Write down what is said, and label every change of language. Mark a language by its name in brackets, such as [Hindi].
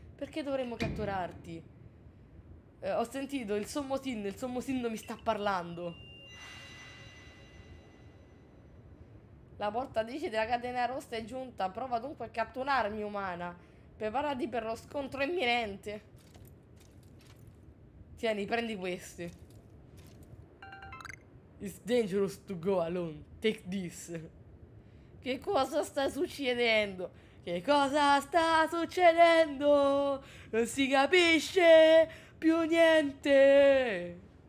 [Italian] Perché dovremmo catturarti? Ho sentito il sommo sin mi sta parlando. La portatrice della catena rossa è giunta. Prova dunque a catturarmi, umana. Preparati per lo scontro imminente. Tieni, prendi questi. [English] It's dangerous to go alone. Take this. [Italian] Che cosa sta succedendo? Che cosa sta succedendo? Non si capisce più niente.